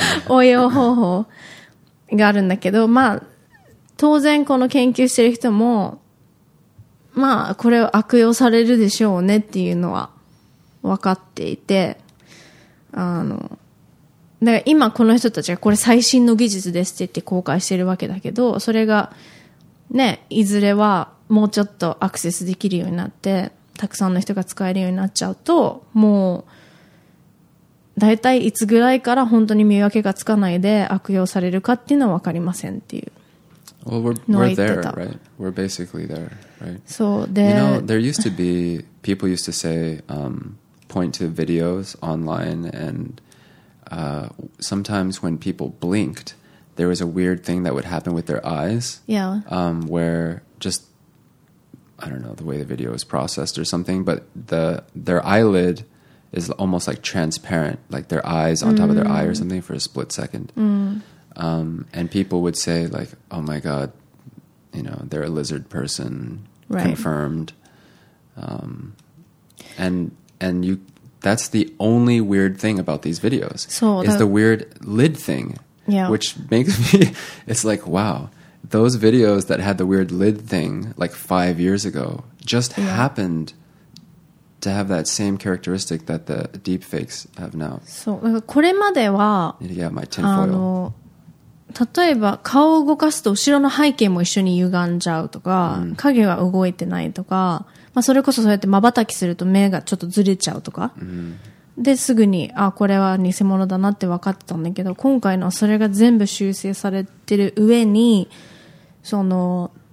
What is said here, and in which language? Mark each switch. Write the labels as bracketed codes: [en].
[ja] 応用方法があるんだけど、まあ当然この研究してる人もまあこれを悪用されるでしょうねっていうのは分かっていて、だから今この人たちがこれ最新の技術ですって言って公開してるわけだけど、それがね、いずれはもうちょっとアクセスできるようになって、たくさんの人が使えるようになっちゃうと、もう、だいたいいつぐらいから本当に見分けがつかないで悪用されるかっていうのはわかりませんっていうのを言ってた。 [en] Well, we're there, right? We're basically there, right? [ja] そうで、 [en] you know, there used to be, people used to say, point to videos online and, sometimes when people blinked, there was a weird thing that would happen with their eyes. Yeah. Where just,I don't know the way the video is processed or something, but their eyelid is almost like transparent, like their eyes on top of their eye or something for a split second. And people would say like, oh my God, you know, they're a lizard person, confirmed. And you, that's the only weird thing about these videos is the weird lid thing, which makes me, it's like, wow. Those videos that had the weird lid thing like 5 years ago just happened to have that same characteristic that the deepfakes have now. [ja] そう、だからこれまでは、 [en] yeah, my tinfoil. [ja] 例えば顔を動かすと後ろの背景も一緒に歪んじゃうとか、影が動いてないとか、まあ、それこそそうやって瞬きすると目がちょっとずれちゃうとか、ですぐにあこれは偽物だなって分かってたんだけど、今回のそれが全部修正されてる上に、その